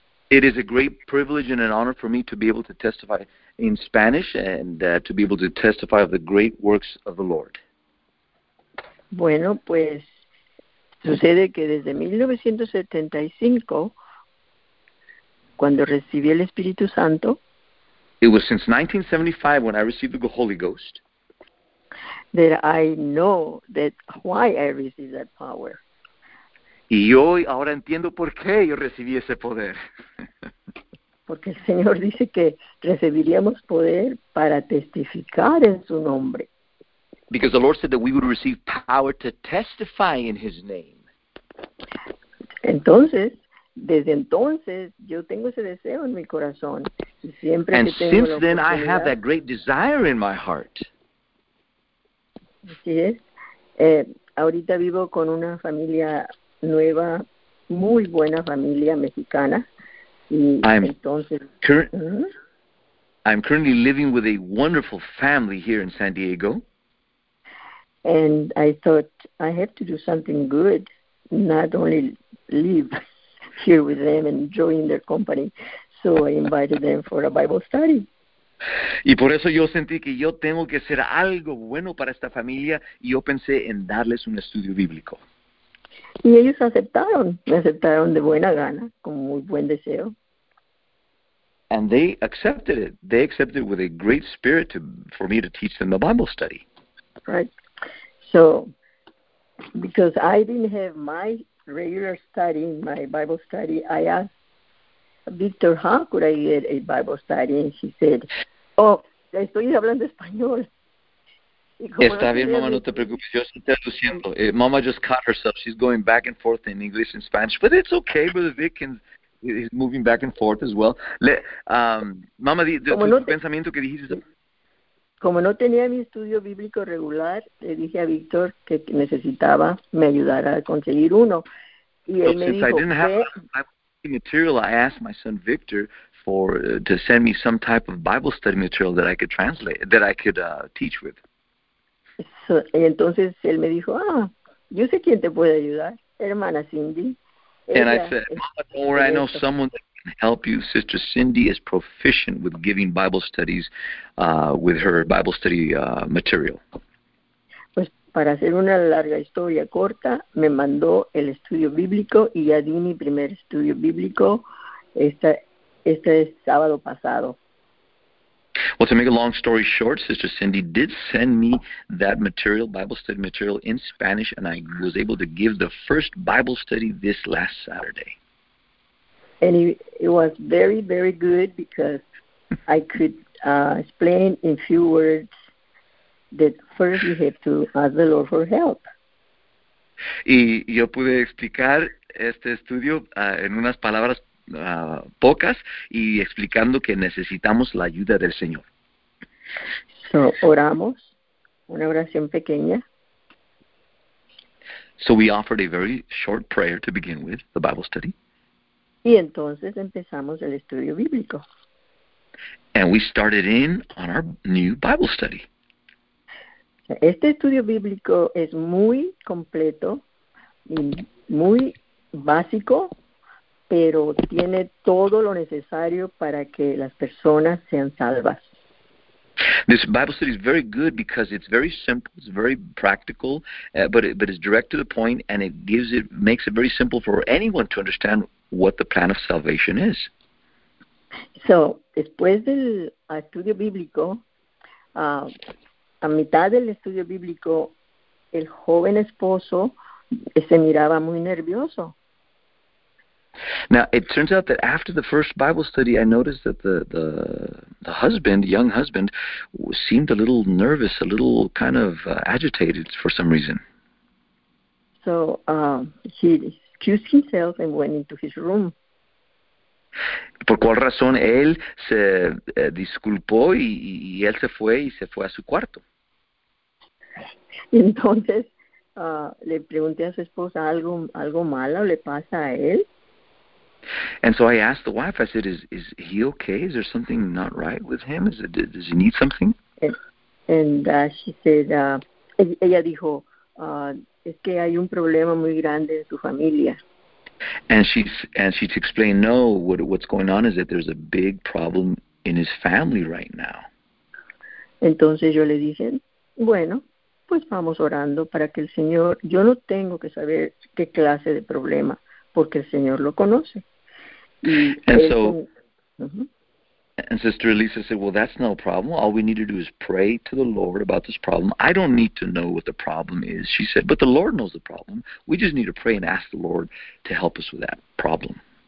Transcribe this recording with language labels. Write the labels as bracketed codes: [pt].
[en] It is a great privilege and an honor for me to be able to testify in Spanish and to be able to testify of the great works of the Lord. [es] Bueno, pues sucede que desde 1975, cuando recibí el Espíritu Santo, [en] it was since 1975 when I received the Holy Ghost, that I know that why I received that power. [es] Y hoy ahora entiendo por qué yo recibí ese poder. Porque el Señor dice que recibiríamos poder para testificar en su nombre. [en] Because the Lord said that we would receive power to testify in his name. [es] Entonces, desde entonces, yo tengo ese deseo en mi corazón. Y siempre [en] and [es] que tengo [en] since then, I have that great desire in my heart. [es] Así es. Ahorita vivo con una familia nueva, muy buena familia mexicana. Y [en] I'm currently living with a wonderful family here in San Diego. And I thought, I have to do something good, not only live here with them and enjoying their company. So I invited them for a Bible study. [es] Y por eso yo sentí que yo tengo que hacer algo bueno para esta familia, y yo pensé en darles un estudio bíblico. Y ellos aceptaron, me aceptaron de buena gana, con muy buen deseo. [en] And they accepted it. They accepted it with a great spirit for me to teach them the Bible study. Right. So, because I didn't have my regular study, my Bible study, I asked Victor, how could I get a Bible study? And he said, oh, [es] estoy hablando español. Está bien, mamá, no te preocupes. Yo estoy traduciendo. [en] Mama just caught herself. She's going back and forth in English and Spanish. But it's okay, Brother Vic is moving back and forth as well. [es] Mama, tu pensamiento que dijiste. Como no tenía mi estudio bíblico regular, le dije a Víctor que necesitaba me ayudara a conseguir uno. Y él me dijo, [en] I didn't have a Bible material, I asked my son Victor to send me some type of Bible study material that I could translate, that I could teach with. [es] So, y entonces él me dijo, yo sé quién te puede ayudar, hermana Cindy. [en] And I said, Mama, don't worry, I know someone that can help you. Sister Cindy is proficient with giving Bible studies with her Bible study material. [es] Pues para hacer una larga historia corta, me mandó el estudio bíblico y ya di mi primer estudio bíblico este sábado pasado. [en] Well, to make a long story short, Sister Cindy did send me that material, Bible study material, in Spanish, and I was able to give the first Bible study this last Saturday. And it was very, very good because I could explain in few words that first you have to ask the Lord for help. [es] Y yo pude explicar este estudio en unas palabras pocas y explicando que necesitamos la ayuda del Señor. So, oramos una oración pequeña. [en] So we offered a very short prayer to begin with, the Bible study. [es] Y entonces empezamos el estudio bíblico. [en] And we started in on our new Bible study. [es] Este estudio bíblico es muy completo y muy básico, pero tiene todo lo necesario para que las personas sean salvas. [en] This Bible study is very good because it's very simple, it's very practical, but it's direct to the point, and it gives it makes it very simple for anyone to understand what the plan of salvation is. [es] So, después del estudio bíblico, a mitad del estudio bíblico, el joven esposo se miraba muy nervioso. [en] Now, it turns out that after the first Bible study, I noticed that the husband, young husband, seemed a little nervous, a little kind of agitated for some reason. So, he excused himself and went into his room. [es] ¿Por cuál razón él se disculpó y él se fue y se fue a su cuarto? Y entonces, le pregunté a su esposa, ¿algo malo le pasa a él? [en] And so I asked the wife, I said, is he okay? Is there something not right with him? Does he need something? And she said, [es] ella dijo, es que hay un problema muy grande en tu familia. [en] And she explained, no, what's going on is that there's a big problem in his family right now. [es] Entonces yo le dije, bueno, pues vamos orando para que el Señor, yo no tengo que saber qué clase de problema, porque el Señor lo conoce. [en] And Sister Elisa said, well, that's no problem. All we need to do is pray to the Lord about this problem. I don't need to know what the problem is, she said, but the Lord knows the problem. We just need to pray and ask the Lord to help us with that problem.